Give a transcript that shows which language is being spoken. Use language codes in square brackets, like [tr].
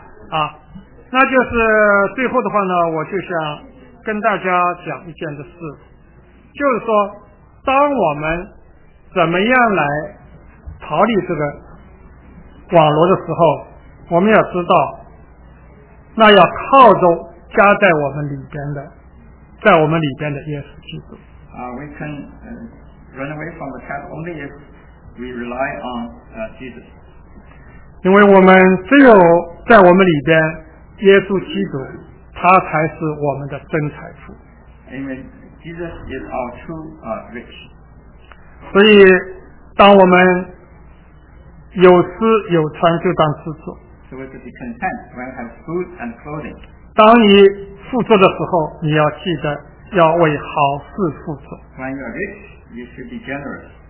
[zh] 好，那就是最后的话呢，我就想跟大家讲一件的事，就是说，当我们怎么样来逃离这个网罗的时候，我们要知道，那要靠着加在我们里边的，在我们里边的耶稣基督。 [en] We can run away from the trap only if we rely on Jesus. [zh] 因为我们只有在我们里边，耶稣基督，他才是我们的真财富。因为 [en] Jesus is our true rich. [zh] 所以当我们有吃有穿就当知足。 [en] So we should be content when we have food and clothing. [zh] 当你富足的时候，你要记得要为好事富足。 [en] When you are rich, you should be generous.